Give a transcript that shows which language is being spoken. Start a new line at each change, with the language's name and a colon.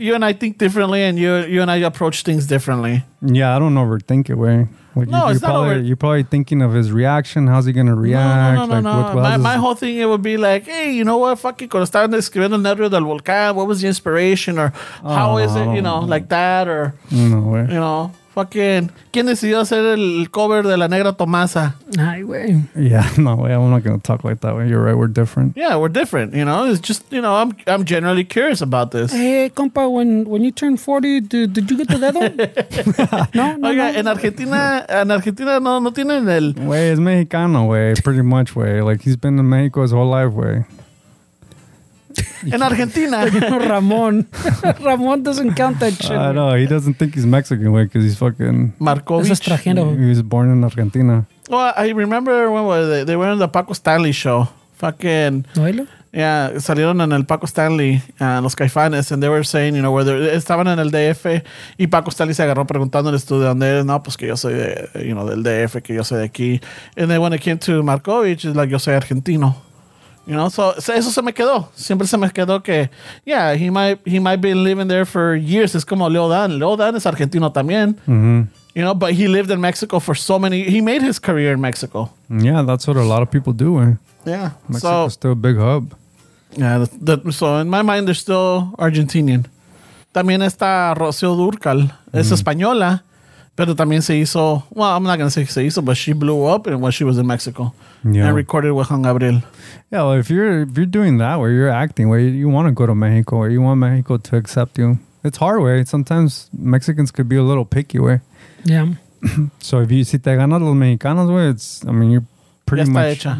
English: You and I think differently and you and I approach things differently. Yeah, I don't overthink it, way. You're probably thinking of his reaction. How's he going to react? No. My whole thing, it would be like, hey, you know what? Fuck it.
Spanish: Cuando estaban escribiendo el nervio del volcán,
English: what was the inspiration? Or how is it, you know, like that? Or, no way. You know?
Spanish: Fucking, ¿quién decidió hacer el cover de La Negra Tomasa? Ay, güey.
English: Yeah, no, güey, I'm not going to talk like that, way. You're right, we're different. Yeah, we're different, you know? It's just, you know, I'm generally curious about this. Hey, compa, when you turn 40, did you get the leather? No.
Spanish: Oiga, en Argentina no tienen el... Güey, es mexicano, güey,
English: pretty much, güey. Like, he's been in Mexico his whole life, güey. In Argentina. Ramon. Ramon doesn't count that shit. I know. He doesn't think he's Mexican, way, because he's fucking... Markovich. He was born in Argentina. Well, I remember when they were on the Paco Stanley show. Fucking...
Spanish: ¿Noelo? Yeah, salieron en el Paco Stanley, los Caifanes,
English: and they were saying, you know, where they
Spanish: estaban en el DF, y Paco Stanley se agarró preguntándoles tú de dónde eres. No, pues que yo soy de,
English: you know,
Spanish: del DF, que yo soy de aquí.
English: And then when it came to Markovich, it's like,
Spanish: yo soy argentino.
English: You know, so
Spanish: eso se me quedó. Siempre se me quedó que,
English: yeah, he might be living there for years.
Spanish: Es como Leo Dan es argentino también. Mm-hmm.
English: You know, but he lived in Mexico for so many... He made his career in Mexico. Yeah, that's what a lot of people do. Yeah. Mexico's still a big hub. Yeah, so in my mind, they're still Argentinian.
Spanish: También está Rocío Dúrcal. Es española, pero también se hizo...
English: Well, I'm not going to say
Spanish: se hizo,
English: but she blew up when she was in Mexico. Yeah. And recorded with Juan Gabriel. Yeah, well, if you're doing that, where you're acting, where you want to go to Mexico, or you want Mexico to accept you, it's hard, way. Sometimes Mexicans could be a little picky, way. Yeah. So if you sit there,
Spanish: los Mexicanos,
English: where it's, I mean, you're pretty much,
Spanish: hecha.